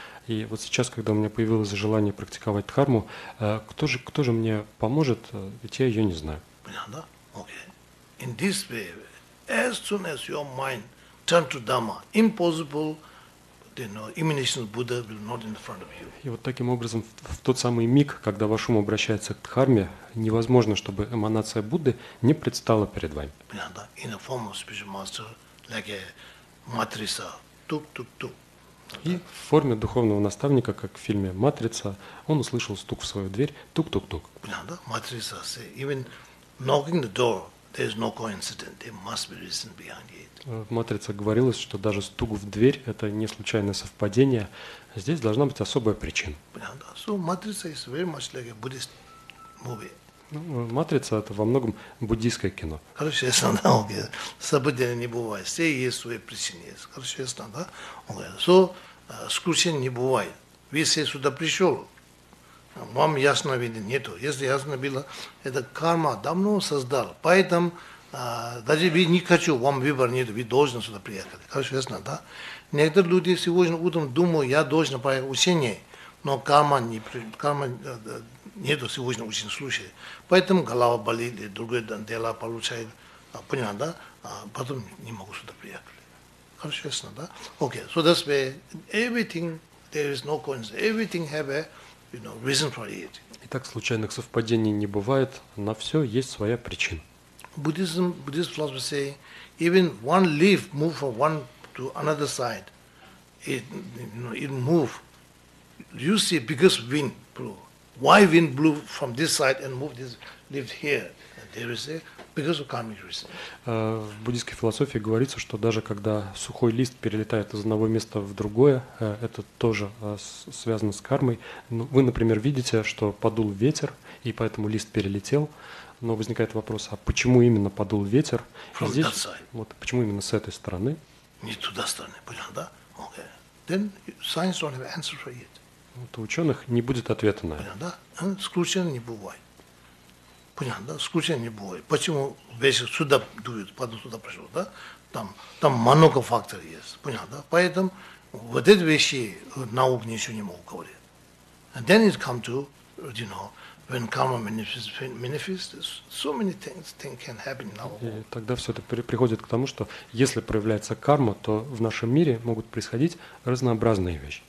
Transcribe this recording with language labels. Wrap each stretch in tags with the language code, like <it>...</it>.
<ru>И вот сейчас, когда у меня появилось желание практиковать дхарму, кто же мне поможет, ведь я ее не знаю. Понятно? Okay.</ru> <en>In this way, as soon as your mind turns to Dhamma, impossible, you know, emanation of Buddha will not in front of you.</en> <ru>И вот таким образом, в тот самый миг, когда ваш ум обращается к дхарме, невозможно, чтобы эманация Будды не предстала перед вами. Понятно?</ru> <en>In the form of spiritual master, like a matrisa, tuk-tuk-tuk.</en> <ru>И в форме духовного наставника, как в фильме «Матрица», он услышал стук в свою дверь, тук-тук-тук.</ru> <en>Матрица, even knocking the door, there is no coincidence, there must be reason behind it.</en> <ru>В «Матрице» говорилось, что даже стук в дверь – это не случайное совпадение, здесь должна быть особая причина.</ru> <en>So, «Матрица» is very much like a Buddhist movie.</en> <ru>«Матрица» – это во многом буддийское кино. Хорошо, ясно, да? Okay. События не бывает. Все есть свои причины. Хорошо, ясно, да? Okay. So, скучения не бывает. Вы все сюда пришел, вам ясно видно, нету. Если ясно было, это карма давно создал. Поэтому даже вы не хочу, вам выбор нету, вы должны сюда приехать. Хорошо, ясно, да? Некоторые люди сегодня утром думают, я должен поехать в учение, но карма нету сегодня очень случая. Поэтому голова болит, или другое дело получает, понятно, да? А потом не могу сюда приехать. Хорошо, ясно, да?</ru> <en>Okay, so that's where everything, there is no coincidence, everything have a, you know, reason for it.</en> <ru>Итак, случайных совпадений не бывает, на все есть своя причина.</ru> <en>Buddhist philosophy say, even one leaf move from one to another side, it move, you see biggest wind blow. Why wind blew from this side and moved this leaf here? There is a because of karmic reason.</en> <ru>В буддийской философии говорится, что даже когда сухой лист перелетает из одного места в другое, это тоже связано с кармой. Вы, например, видите, что подул ветер, и поэтому лист перелетел. Но возникает вопрос, а почему именно подул ветер?</ru> <en>From</en> <ru>здесь,</ru> <en>that side.</en> <ru>Вот почему именно с этой стороны? Не туда стороны, понял, да?</ru> <en>Okay. Then science don't have answer for it.</en> <ru>Вот у ученых не будет ответа на это. Понятно, да? Скучно не бывает. Понятно, да? Скучно не бывает. Почему ветер сюда дует, потом сюда пришел, да? Там много факторов есть. Понятно, да? Поэтому вот эти вещи наук ничего не могут говорить.</ru> <en>And then it comes to, you know, when karma manifests, so many things can happen in our world.</en> <ru>И тогда все это приходит к тому, что если проявляется карма, то в нашем мире могут происходить разнообразные вещи.</ru>